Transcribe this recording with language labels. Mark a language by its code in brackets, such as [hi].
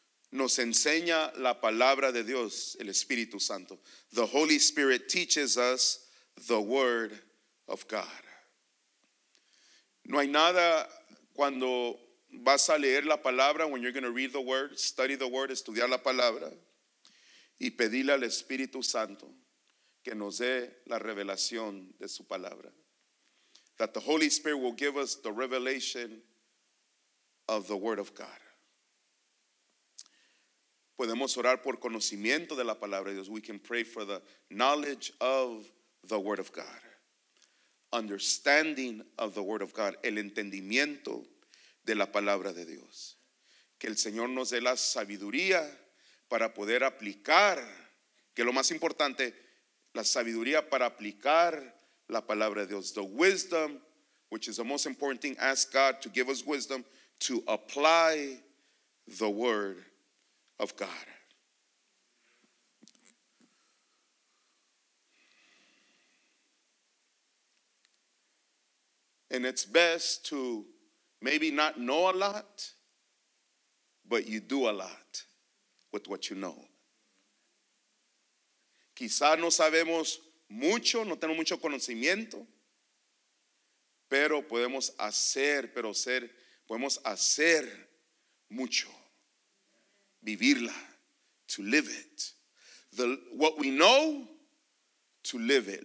[es] Nos enseña la palabra de Dios, el Espíritu Santo. [en] The Holy Spirit teaches us the Word of God. [es] No hay nada cuando vas a leer la palabra, [en] when you're going to read the word, [es] study the word, estudiar la palabra, y pedirle al Espíritu Santo que nos dé la revelación de su palabra. [en] That the Holy Spirit will give us the revelation of the Word of God. [es] Podemos orar por conocimiento de la palabra de Dios. [en] We can pray for the knowledge of the Word of God. Understanding of the Word of God, [es] el entendimiento de la palabra de Dios. Que el Señor nos dé la sabiduría para poder aplicar, que lo más importante, la sabiduría para aplicar la palabra de Dios. [en] The wisdom, which is the most important thing, ask God to give us wisdom to apply the Word of God. And it's best to maybe not know a lot, but you do a lot with what you know. [es] Quizá no sabemos mucho, no tenemos mucho conocimiento, pero podemos hacer, podemos hacer mucho. Vivirla, [en] to live it. What we know, to live it.